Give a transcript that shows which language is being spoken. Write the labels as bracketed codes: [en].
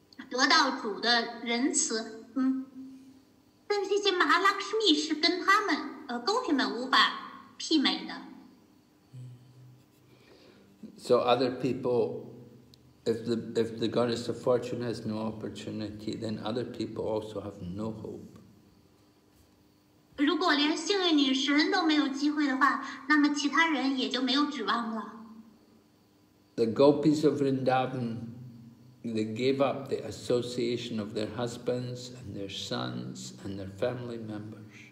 [zh] 得到主的仁慈，但是这些马哈拉克什密是跟他们，勾引们无法媲美的。 [en] So other people, if the goddess of fortune has no opportunity, then other people also have no hope. [zh] 如果连幸运女神都没有机会的话，那么其他人也就没有指望了。 [en] The gopis of Vrindavan. They gave up the association of their husbands and their sons and their family members.